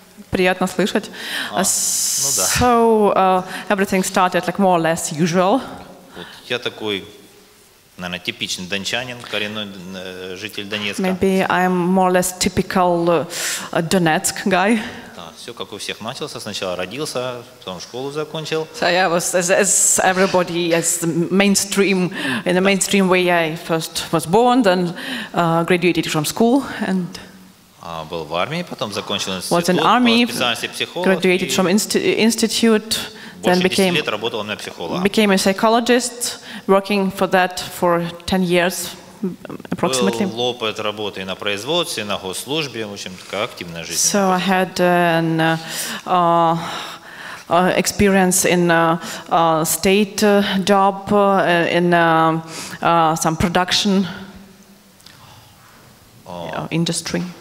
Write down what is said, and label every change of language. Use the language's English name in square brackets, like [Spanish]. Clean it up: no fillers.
[Russian] Приятно слышать. Ну да. [English] So everything started like more or less usual. [Russian] Вот я такой, наверное, типичный дончанин, коренной житель Донецка. [English] Maybe I'm more or less typical Donetsk guy. [Russian] Да, все как у всех начался. Сначала родился, потом школу закончил. [English] So yeah, was as everybody, as the mainstream, in the mainstream way, I first was born, then graduated from school, and [Russian] был в армии, потом закончил институт. [English] Was in army, graduated from institute. Then became a psychologist, working for that for 10 years, approximately. [Russian] Был опыт работы на производстве, на госслужбе, в общем, такая активная жизнь. [English] So I had an experience in a state job, in some production industry.